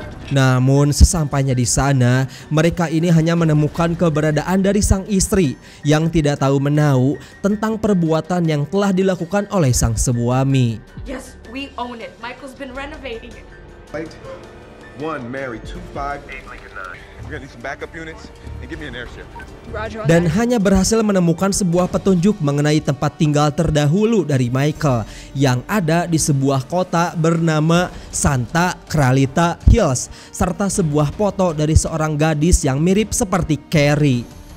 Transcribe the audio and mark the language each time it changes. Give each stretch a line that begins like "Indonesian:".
Indonesian: Namun sesampainya di sana, mereka ini hanya menemukan keberadaan dari sang istri yang tidak tahu menahu tentang perbuatan yang telah dilakukan oleh sang suami.
English: Yes, we own it. Michael's been renovating it. 1 Mary 258 Lincoln 9. We got some backup units and give me an airship. Roger.
Indonesian: Dan hanya berhasil menemukan sebuah petunjuk mengenai tempat tinggal terdahulu dari Michael yang ada di sebuah kota bernama Santa Clarita Hills serta sebuah foto dari seorang gadis yang mirip seperti Carrie.